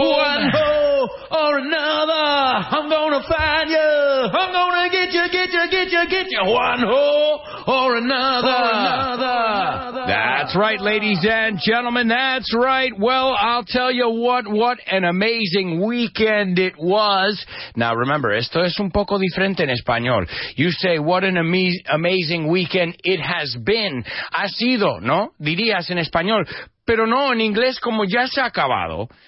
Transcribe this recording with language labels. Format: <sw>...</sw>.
<en>One hole or another, I'm gonna find you. I'm gonna get you. One hole or another. That's right, ladies and gentlemen. That's right. Well, I'll tell you what an amazing weekend it was. Now, remember,</en> <es>esto es un poco diferente en español.</es> <en>You say, what an amazing weekend it has been.</en> <es>Ha sido, ¿no? Dirías en español. Pero no, en inglés, como ya se ha acabado.</es>